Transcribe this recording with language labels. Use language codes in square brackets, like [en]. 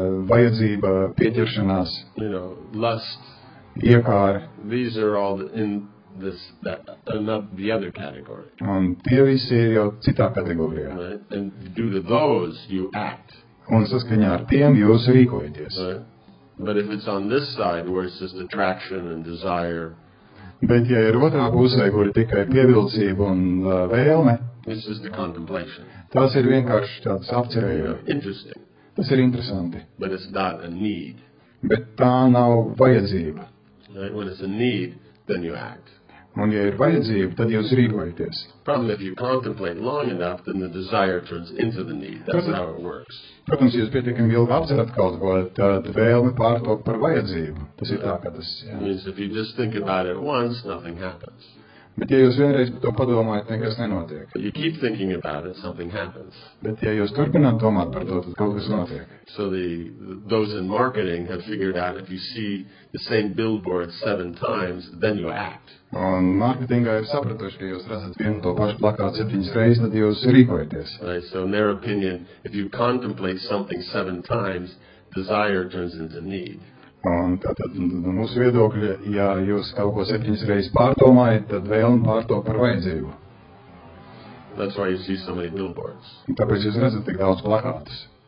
[lv] Vajadzība, pieķeršanās. [en] Lust. [lv] Iekāri. [en] These are all in this, the other category. [lv] Un tie visi ir jau citā kategorijā. [en] Right. And due to those, you act. [lv] Un saskaņā ar tiem jūs rīkojaties. [en] Right. But if it's on this side, where it's just attraction and desire, [lv] bet ja ir otrā pusē, kur ir tikai pievilcība un vēlme, [en] this is the contemplation. [lv] Tas ir vienkārši tāds apcerējums. [en] Interesting. [lv] Tas ir interesanti. [en] But it's not a need. [lv] Bet tā nav vajadzība. [en] Right? When it's a need, then you act. [lv] Un ja ir vajadzība, tad jūs rīkojaties. [en] Problem, if you contemplate long enough, then the desire turns into the need. That's how it works. [lv] Protams, jūs pietiekam ilgi apzerat kaut ko, tad vēlme pārtop par vajadzību. Tas ir tā, ka tas, jā. [en] Means if you just think about it once, nothing happens. [lv] Bet ja jūs vienreiz to padomājat, nekas nenotiek. [en] But you keep thinking about it, something happens. [lv] Bet ja jūs turpināt domāt par to, tad kaut kas notiek. [en] So those in marketing have figured out if you see the same billboard 7 times, then you act. [lv] Un marketingā ir sapratuši, ka jūs redzat vienu to pašu plakātu 7 reizes, tad jūs rīkojaties. [en] Right, so in their opinion, if you contemplate something 7 times, desire turns into need. [lv] Un tātad mūsu viedokļa, ja jūs kaut ko 7 reizes pārdomājat, tad vēlme pārtop par vajadzību. [en] That's why you see so many billboards. [lv] Tāpēc jūs redzat tik daudz plakātus.